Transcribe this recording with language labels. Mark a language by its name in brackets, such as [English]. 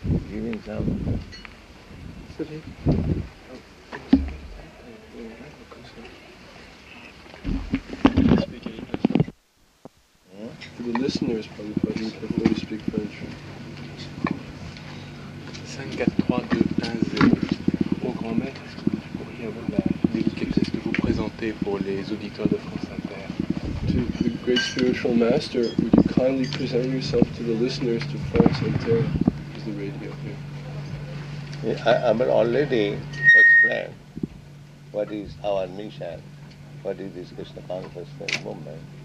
[English] You mean some? Sit here. For the listeners, probably question before we speak French. 5-4-3-2-1-0. [French] Au grand maître, est-ce que vous pourriez avoir la délicatesse de vous présenter pour les auditeurs de France Inter? [English] To the great spiritual master, would you kindly present yourself to the listeners to France Inter? Is the radio here? Yeah, I'm already explained what is our mission, what is this Krishna consciousness movement.